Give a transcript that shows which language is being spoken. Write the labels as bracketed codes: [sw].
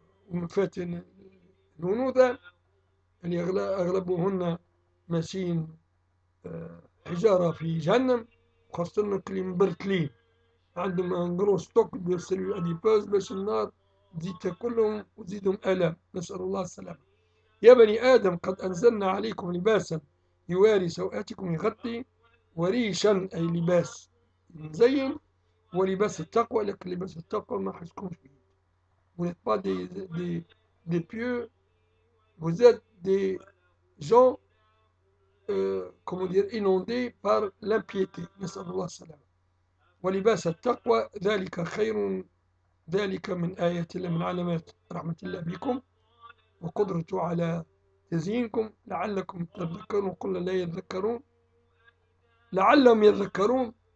[ar] ومفاتن الهنوذة، يعني أغلبهن ماشيين حجارة في جهنم، خاصة إنه كلين برتلين، عندهم نقرو ستوك ديال السيريو أديبوز باش النار تزيد تاكلهم وتزيدهم آلام، نسأل الله السلامة. يا بني آدم قد أنزلنا عليكم لباسا يواري سوآتكم، يغطي وريشا أي لباس مزين، ولباس التقوى، لكن لباس التقوى ما حيكونش فيه. [fr] Vous n'êtes pas des pieux, vous êtes des gens, comment dire, inondés par l'impiété. [ar] نسأل الله السلام. ولباس التقوى ذلك خير، ذلك من آيات الله، من علامات رحمة الله بكم وقدرته على تزيينكم لعلكم تذكرون. قل لا يذكرون لعلهم يذكرون.